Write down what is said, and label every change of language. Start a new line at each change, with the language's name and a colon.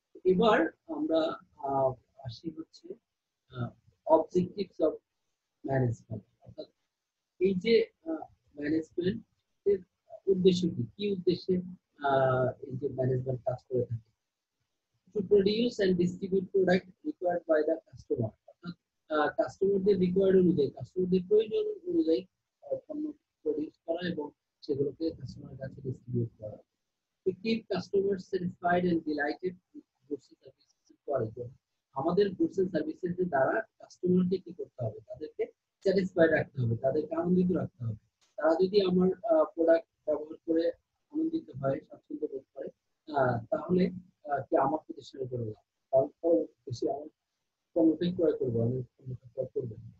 Bangla: এবার আমরা আসি হচ্ছে অবজেক্টিভস অফ ম্যানেজমেন্ট, অর্থাৎ এই যে ম্যানেজমেন্টের উদ্দেশ্য কি, কি উদ্দেশ্যে এই যে ম্যানেজমেন্ট কাজ করে থাকে।
English: To produce and distribute product required by the customer.
Bangla: Customer there required অনুযায়ী, customer দের প্রয়োজন অনুযায়ী পণ্য প্রডিউস করা এবং সেগুলোকে customer কাছে ডিস্ট্রিবিউট করা।
English: To keep customers satisfied and delighted with goods and services quality.
Bangla: আমাদের goods and services এর দ্বারা customer কে কি করতে হবে, তাদেরকে satisfied রাখতে হবে, তাদেরকে আনন্দিত রাখতে হবে। তারা যদি আমার প্রোডাক্ট ব্যবহার করে আনন্দিত হয়, স্বাচ্ছন্দ্য বোধ করে, তাহলে আমার প্রতিষ্ঠানে করে দিলাম, কারণ বেশি আমার কোনোটাই ক্রয় করবো, আমি কোনোটা ক্রয় করবো।